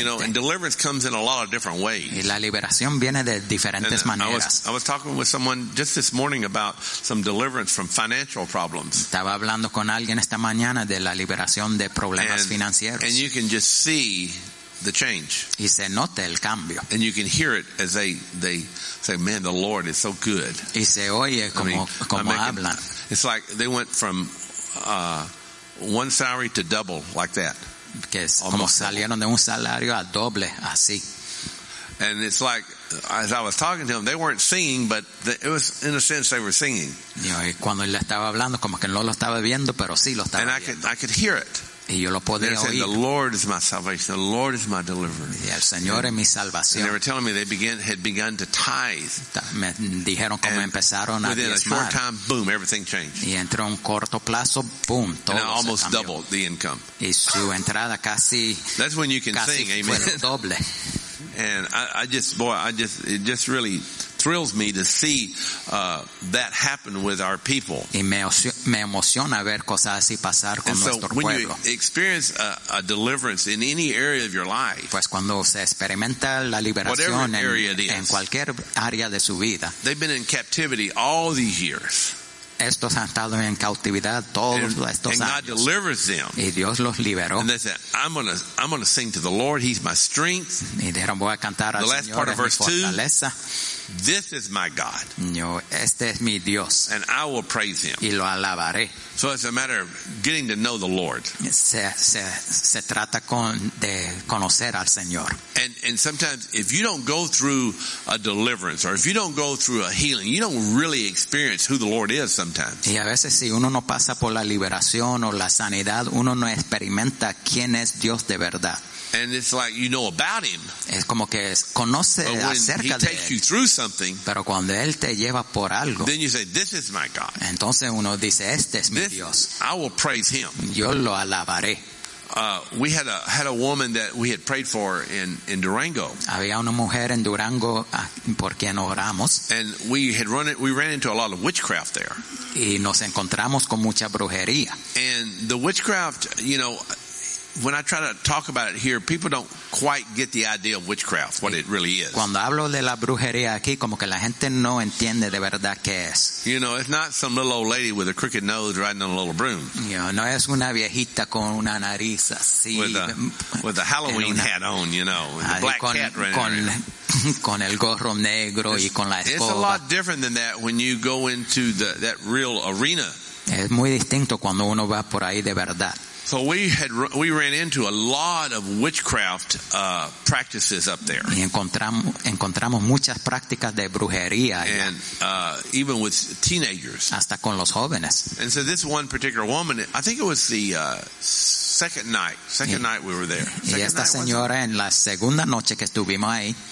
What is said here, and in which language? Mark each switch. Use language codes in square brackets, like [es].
[en] You know, and deliverance comes in a lot of different ways. [es] Y la liberación viene de diferentes maneras. [en] I was talking with someone just this morning about some deliverance from financial problems. [es] Estaba hablando con alguien esta mañana de la liberación de problemas financieros. [en] And you can just see the change. [es] Y se nota el cambio. [en] And you can hear it as they say, "Man, the Lord is so good." [es] Y se oye como hablan. [en] It's like they went from one salary to double like that. [es] Que es como salieron de un salario a doble así. [en] And it's like, as I was talking to them, they weren't singing, but it was in a sense they were singing. [es] Y cuando él estaba hablando, como que no lo estaba viendo, pero sí lo estaba viendo. [en] And I could hear it. [es] Y yo lo podía oír. [en] The Lord is my salvation. The Lord is my deliverance. [es] Y el Señor es mi salvación. [en] And they were telling me they had begun to tithe. [es] Me dijeron cómo empezaron a diezmar. [en] Within a short time, boom, everything changed. [es] Y entró un corto plazo, boom, todo se cambió. [en] And I almost doubled the income. [es] Y su entrada casi. [en] That's when you can sing, amen. [es] Doble. [en] And it just really thrills me to see that happen with our people. [es] Y me emociona ver cosas así pasar con nuestro pueblo. [en] And so when you experience a deliverance in any area of your life, [es] pues cuando se experimenta la liberación en cualquier área de su vida, [en] they've been in captivity all these years. [es] Estos han estado en cautividad todos estos años. [en] And God delivers them. [es] Y Dios los liberó. [en] And they said, I'm gonna sing to the Lord. He's my strength. [es] Y dijeron, voy a cantar al Señor. [en] The last part of verse 2. This is my God. [es] Yo, este es mi Dios. [en] And I will praise him. [es] Y lo alabaré. [en] So it's a matter of getting to know the Lord. [es] Se trata de conocer al Señor. [en] And sometimes if you don't go through a deliverance or if you don't go through a healing, you don't really experience who the Lord is sometimes. [es] Y a veces si uno no pasa por la liberación o la sanidad, uno no experimenta quién es Dios de verdad. [en] And it's like you know about him. [es] Es como que conoce acerca de él. [en] He takes you through something. [es] Pero cuando él te lleva por algo. [en] Then you say, "This is my God." [es] Entonces uno dice, "Este es mi Dios." [en] I will praise him. [es] Yo lo alabaré. [en] We had a woman that we had prayed for in Durango. [es] Había una mujer en Durango por quien oramos. [en] And we ran into a lot of witchcraft there. [es] Y nos encontramos con mucha brujería. [en] And the witchcraft, you know, when I try to talk about it here, people don't quite get the idea of witchcraft, what it really is. [es] Cuando hablo de la brujería aquí, como que la gente no entiende de verdad qué es. [en] You know, it's not some little old lady with a crooked nose riding on a little broom. You know, [es] no es una viejita con una nariz así. [en] With a Halloween hat on, you know, with a black cat running around. [es] Con el gorro negro y con la escoba. [en] It's a lot different than that when you go into that real arena. [es] Es muy distinto cuando uno va por ahí de verdad. [en] So we ran into a lot of witchcraft practices up there. [es] Y encontramos muchas prácticas de brujería. [en] And even with teenagers. [es] Hasta con los jóvenes. [en] And so this one particular woman, I think it was the second night we were there. [es] Y esta señora en la segunda noche que estuvimos ahí.